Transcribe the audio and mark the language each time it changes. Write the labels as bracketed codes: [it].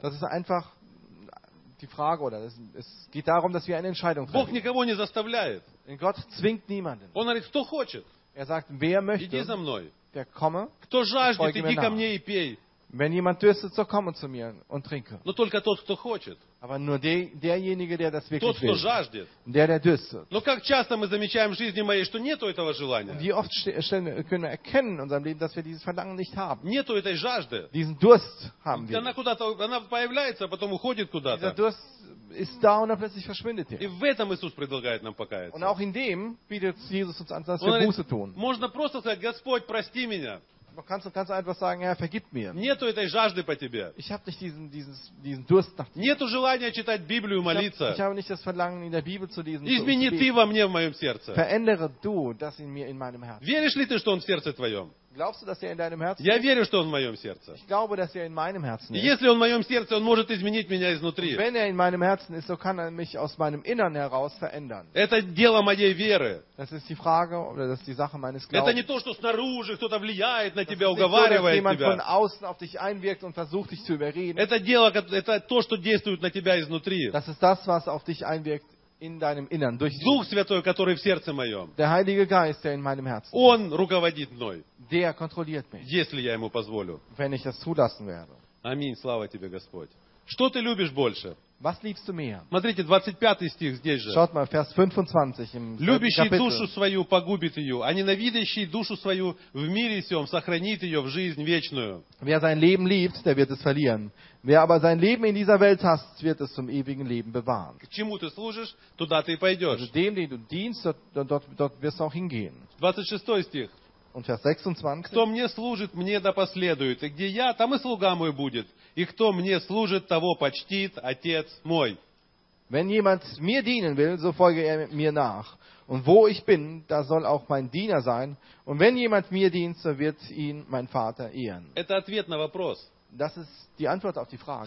[de] Das ist einfach die Frage, oder es geht darum, dass wir eine Entscheidung treffen. [ru] Бог никого не заставляет. [de] Und Gott zwingt niemanden. [ru] Он говорит, кто хочет? [de] Er sagt, wer möchte? [ru] Иди за мной. [de] Der komme, [ru] кто жаждет, иди ко мне и пей. [de] Wenn jemand dürstet, so komme zu mir und trinke. [ru] Но только тот, кто хочет. [de] Aber nur derjenige, der das wirklich [ru] тот, кто [de] will. [ru] Жаждет. [de] Der dürstet. [ru] Но как часто мы замечаем в жизни моей, что нету этого желания? [de] Wie oft können wir erkennen in unserem Leben, dass wir dieses Verlangen nicht haben? [ru] Нету этой жажды. [de] Diesen Durst haben wir. [ru] Она куда-то, она появляется, а потом уходит куда-то. [de] Dieser Durst ist da und dann plötzlich verschwindet er. [ru] И в этом Иисус предлагает нам покаяться. [de] Und auch in dem bietet Jesus uns an, dass wir Buße tun. [ru] Можно просто сказать, Господь, прости меня. [de] Kannst du einfach sagen, Herr, vergib mir. [ru] Нету этой жажды по тебе. [de] Ich habe nicht diesen Durst nach dir. [ru] Нету желания читать Библию, молиться. [de] Ich habe nicht das Verlangen, in der Bibel zu lesen. [ru] Измени ты во мне в моем сердце. [de] Verändere du das in mir, in meinem Herzen. [ru] Веришь ли ты, что он в сердце твоем? [de] Glaubst du, dass er in deinem Herzen ist? [ru] Я верю, что он в моем сердце. [de] Ich glaube, dass er in meinem Herzen ist. [ru] Если он в моем сердце, он может изменить меня изнутри. [de] Und wenn er in meinem Herzen ist, so kann er mich aus meinem Inneren heraus verändern. [ru] Это дело моей веры. [de] Das ist die Frage oder das ist die Sache meines Glaubens. [ru] Это не то, что снаружи кто-то влияет на [de] das [ru] тебя, уговаривает [de] so, jemand [ru] тебя. [de] Jemand von außen auf dich einwirkt und versucht dich zu überreden. [ru] Это дело, это то, что действует на тебя изнутри. [de] Das ist das, was auf dich einwirkt. In deinem Innern, durch [ru] Дух Святой, который в сердце моем. [de] Der Heilige Geist, der in meinem Herzen. [ru] Он руководит мной. [de] Der kontrolliert mich. [ru] Если я ему позволю. [de] Wenn ich das zulassen werde. [ru] Аминь, слава тебе, Господь. Что ты любишь больше? [de] Was liebst du mehr? [ru] Смотрите, 25 стих здесь же. [de] Schaut mal, Vers 25 im [ru] Любящий [de] Kapitel. [ru] Душу свою погубит ее, а ненавидящий душу свою в мире сем сохранит ее в жизнь вечную. [de] Wer sein Leben liebt, der wird es verlieren. Wer aber sein Leben in dieser Welt hasst, wird es zum ewigen Leben bewahren. [ru] К чему ты служишь, туда ты и пойдешь. [de] Also dem, den du dienst, dort wirst du auch hingehen. [ru] 26 стих. [de] Und Vers 26. [ru] Кто мне служит, мне да последует. И где я, там и слуга мой будет. И кто мне служит, того почтит Отец мой. [de] Wenn jemand mir dienen will, so folge er mir nach. Und wo ich bin, da soll auch mein Diener sein. Und wenn jemand mir dient, so wird ihn mein Vater ehren. [ru] Это ответ на вопрос. [de] Das ist die Antwort auf die Frage.